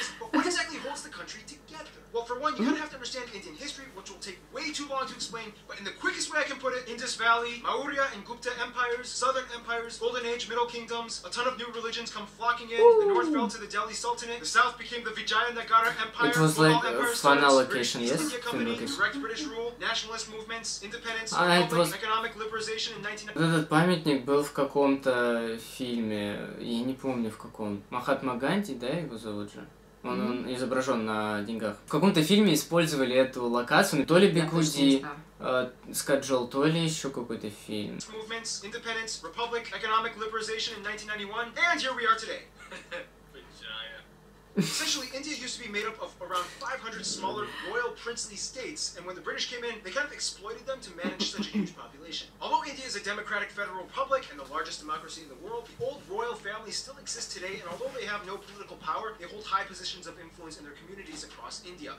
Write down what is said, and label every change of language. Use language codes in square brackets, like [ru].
[en] But what exactly holds the country together? Well, for one, you kind of have to understand Indian history, which will take way too long to explain, but in the quickest way I can put it, Indus Valley, Maurya and Gupta empires, southern empires, golden age, middle kingdoms, a ton of new religions come flocking in, Ooh. The north fell to the Delhi Sultanate, the south became the Vijayanagara Empire, it was like empires, a final location, East yes, India Company, location. Direct British rule, nationalist movements, independence, it was... economic liberalization in 1990. [ru] Этот памятник был в каком-то фильме, я не помню в каком, Махатма Ганди, да, его зовут же? Он, mm-hmm. он изображен на деньгах. В каком-то фильме использовали эту локацию. То ли Бигуди, Скаджол, то ли еще какой-то фильм. [en] Movements, independence, republic, economic liberalization in 1991. And here we are today. Essentially, India used to be made up of around 500 smaller royal princely states, and when the British came in, they kind of exploited them to manage such a huge population. Although India is a democratic federal republic and the largest democracy in the world, the old royal families still exist today, and although they have no political power, they hold high positions of influence in their communities across India.